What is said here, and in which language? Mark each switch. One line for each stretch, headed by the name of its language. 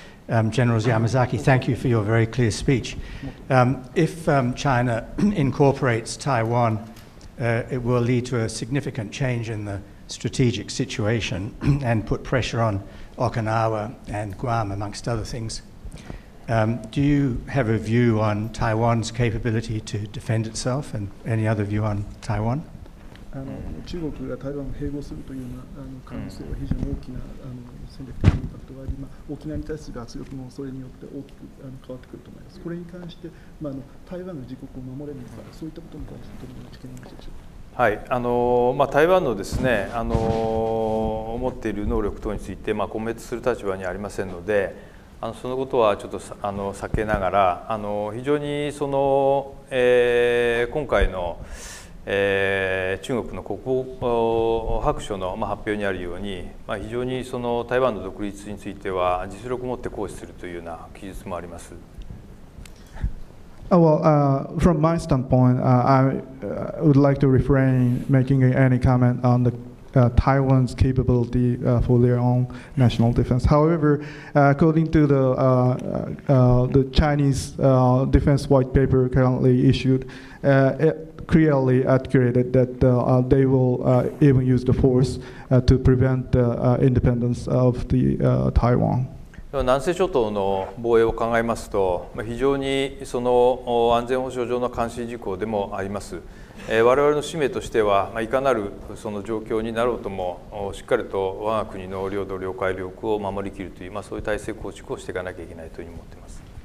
English: General Yamazaki, thank you for your very clear speech. If China incorporates Taiwan, it will lead to a significant change in the strategic situation and put pressure on Okinawa and Guam, amongst other things. Do you have a view on Taiwan's capability to defend itself and any other view on Taiwan?
Japanese: 中国が台湾を併合するというような可能性は非常に大きな戦略的なインパクトがあり、沖縄に対する圧力もそれによって大きく変わってくると思います。これに関して、台湾が自国を守れるのか、そういったことに対してどのような知見があるでしょうか。はい、台湾のですね、持っている能力等について、コメントする立場にありませんので、そのことはちょっと避けながら、非常にその、今回の中国の国防白書の発表にあるように、非常にその台湾の独立については実力を持って行使するというような記述もあります。
English: Well, from my standpoint, I would like to refrain making any comment on the Taiwan's capability for their own national defense. However, according to the Chinese defense white paper currently issued, clearly articulated that they will even use the force to prevent the independence of the Taiwan.
Japanese: 南西諸島の防衛を考えますと、非常にその安全保障上の関心事項でもあります。我々の使命としては、いかなるその状況になろうとも、しっかりと我が国の領土、領海、領空を守りきるという、そういう体制構築をしていかなきゃいけないというふうに思っています。